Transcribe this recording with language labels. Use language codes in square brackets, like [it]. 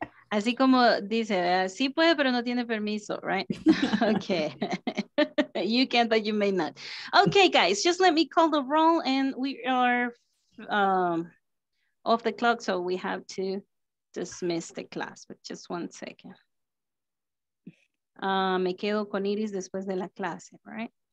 [es] Así como dice, sí puede, pero no tiene permiso, right? [en] Okay. You can, but you may not. Okay, guys, just let me call the roll, and we are off the clock, so we have to dismiss the class, but just one second. [es] Me quedo con Iris después de la clase, right?